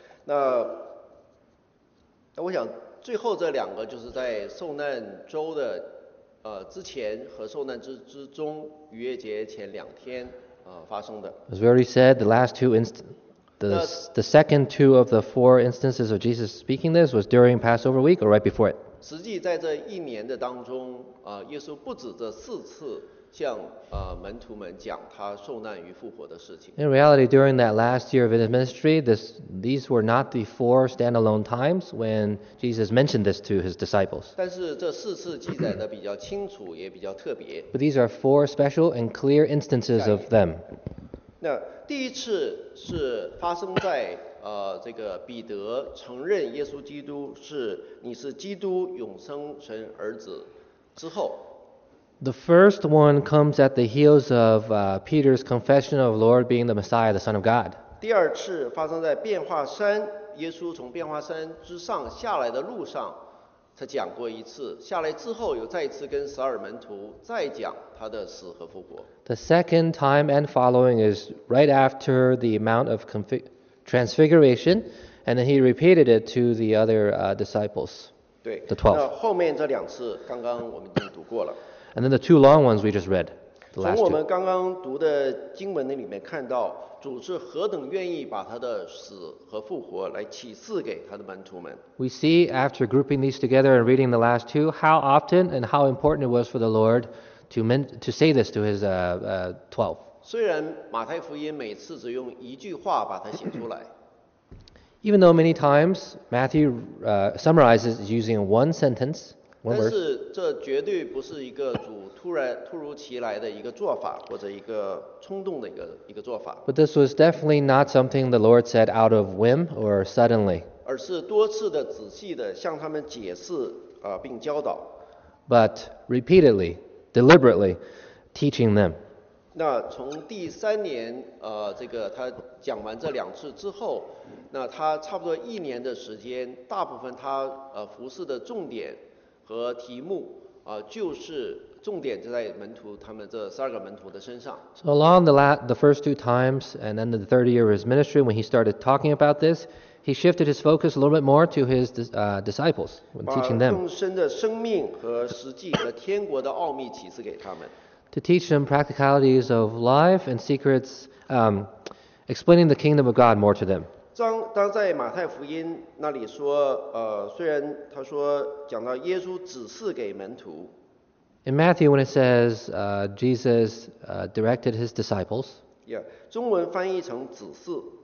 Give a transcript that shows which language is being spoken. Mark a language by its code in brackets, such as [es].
[zh] 那我想最后这两个就是在受难周的之前和受难之中逾越节前两天发生的。 [en] As we already said, the last two the second two of the four instances of Jesus speaking this was during Passover week or right before it. [zh] 实际在这一年的当中耶稣不止这四次向门徒们讲他受难与复活的事情。 [en] In reality, during that last year of his ministry, these were not the four standalone times when Jesus mentioned this to his disciples. [zh] 但是这四次记载的比较清楚，也比较特别。 [en] But these are four special and clear instances of them. [zh] 那第一次是发生在这个彼得承认耶稣基督你是基督永生神儿子之后。 [en] The first one comes at the heels of Peter's confession of Lord being the Messiah, the Son of God. [zh] 第二次发生在变化山，耶稣从变化山之上下来的路上，他讲过一次。下来之后，又再一次跟十二门徒再讲他的死和复活。 [en] The second time and following is right after the Mount of Transfiguration, and then he repeated it to the other disciples. [zh] 对 [en] ，the twelve. [zh] 那后面这两次，刚刚我们已经读过了。 [en] And then the two long ones we just read. The last two. [zh] 从我们刚刚读的经文里面看到，主是何等愿意把他的死和复活来启示给他的门徒们。 [en] We see after grouping these together and reading the last two, how often and how important it was for the Lord to say this to his 12. [zh] 虽然马太福音每次只用一句话把它写出来。 [en] Even though many times Matthew summarizes using one sentence. [zh] 但是这绝对不是一个主突如其来的一个做法，或者一个冲动的一个做法。 [en] But this was definitely not something the Lord said out of whim or suddenly. [zh] 而是多次的仔细的向他们解释并教导。 [en] But repeatedly, deliberately, teaching them. [zh] 那从第三年这个他讲完这两次之后，那他差不多一年的时间，大部分他服事的重点。和题目就是重点就在门徒他们这十二个门徒的身上。 [en] So along the first two times and then the third year of his ministry when he started talking about this, he shifted his focus a little bit more to his disciples when teaching them. [zh] 把更深的生命和实际和天国的奥秘启示给他们。 [en] To teach them practicalities of life and secrets, explaining the kingdom of God more to them. [zh] 当在马太福音那里说虽然他说讲到耶稣指示给门徒。 [en] In Matthew, when it says, Jesus, directed his disciples. Yeah, [zh] 中文翻译成指示。